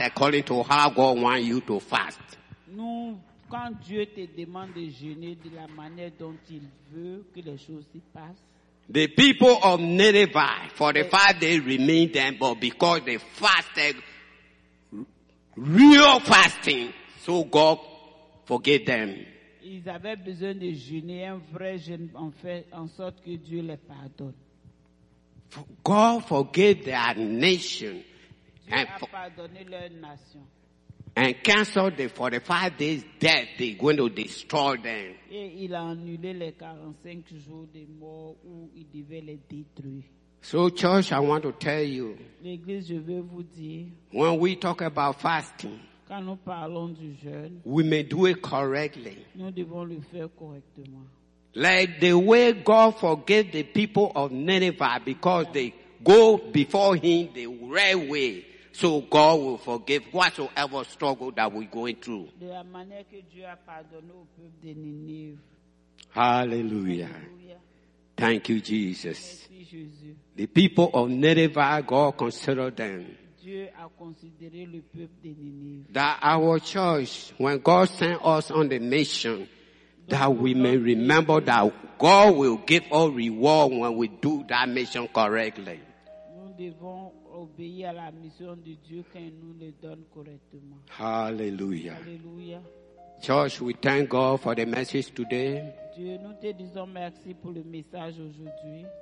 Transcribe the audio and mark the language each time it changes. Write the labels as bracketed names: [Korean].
[English] according to how God wants you to fast. [French] Nous, quand Dieu te demande de jeûner de la manière dont il veut que les choses se passent. [English] The people of Nineveh, for the fact they remain them, but because they fasted real fasting, so God forgave them. [French] Ils avaient besoin de jeûner un vrai jeûne en fait en sorte que Dieu les pardonne. [English] God forgave their nation and canceled the 45 days death. They going to destroy them. [French] Il a annulé les 45 jours de mort où il devait les détruire. [English] So church, I want to tell you. [French] L'église, je veux vous dire. [English] When we talk about fasting, [French] quand nous parlons du jeûne, [English] we may do it correctly. [French] Nous devons le faire correctement. [English] Like the way God forgave the people of Nineveh because they go before him the right way. So God will forgive whatsoever struggle that we're going through. [French] De la manière que Dieu a pardonné au peuple de Ninive. [English] Hallelujah. Thank you, Jesus. [French] Merci, Jésus. [English] The people of Nineveh, God consider them. [French] Dieu a considéré le peuple de Ninive. [English] That our church, when God sent us on the mission, that we may remember that God will give us reward when we do that mission correctly. [French] Nous devons obéir à la mission de Dieu quand nous le donne correctement. [English] Hallelujah. Hallelujah. Church, we thank God for the message today. [French] Dieu, nous te disons merci pour le message aujourd'hui.